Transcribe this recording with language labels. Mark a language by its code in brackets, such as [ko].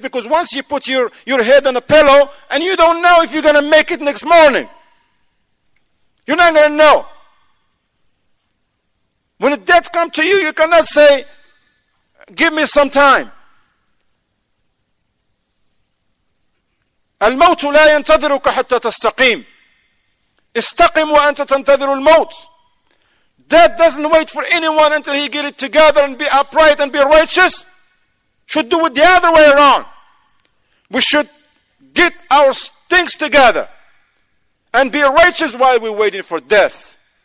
[en] Because once you put your head on a pillow and you don't know if you're going to make it next morning. You're not going to know. When a death comes to you, you cannot say, give me some time. [ar] الموت لا ينتظرك حتى تستقيم. استقم وأنت تنتظر الموت. [en] Death doesn't wait for anyone until he get it together and be upright and be righteous. Should do it the other way around. We should get our things together and be righteous while we're waiting for death.